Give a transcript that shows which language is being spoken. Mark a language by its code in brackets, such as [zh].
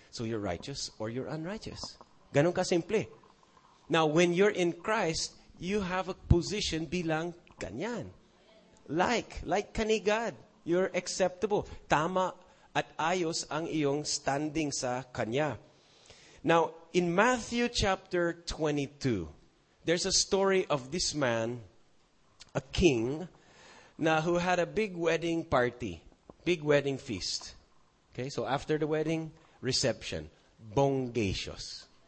[en] So you're righteous or you're unrighteous. [tl] Ganun ka simple. [en] Now, when you're in Christ, you have a position bilang ganyan. [tl] Like ka ni God. [en] You're acceptable. [tl] Tama at ayos ang iyong standing sa Kanya. [en] Now, in Matthew chapter 22, there's a story of this man, a king, na who had a big wedding party, big wedding feast. Okay, so after the wedding, reception. Bongacious.